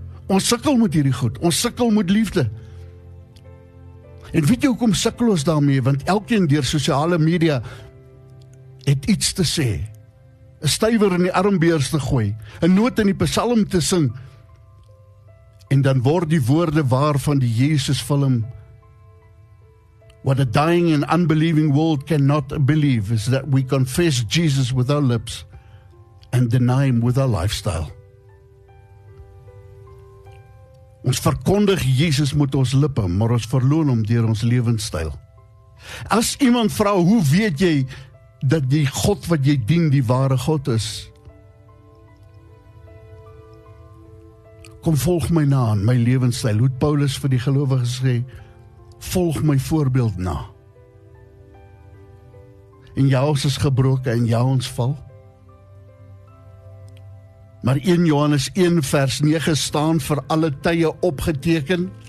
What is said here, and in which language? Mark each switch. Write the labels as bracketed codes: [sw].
[af] Ons sukkel met hierdie goed, ons sukkel met liefde. En weet jy hoekom sukkel ons daarmee? Want elkeen deur sosiale media het iets te sê, een stuiver in die armbeers te gooi, een noot in die psalm te sing, en dan word die woorde waar van die Jesus film, [en] what a dying and unbelieving world cannot believe, is that we confess Jesus with our lips, and deny him with our lifestyle. [af] Ons verkondig Jesus met ons lippe, maar ons verloon hom deur ons levensstyl. As iemand vra, hoe weet jy, dat die God wat jy dien die ware God is. Kom volg my na aan, my levensstyl. Hoe Paulus vir die gelowiges sê, volg my voorbeeld na. En jou is gebroken en jou ons val. Maar 1 Johannes 1 vers 9 staan vir alle tye opgeteken.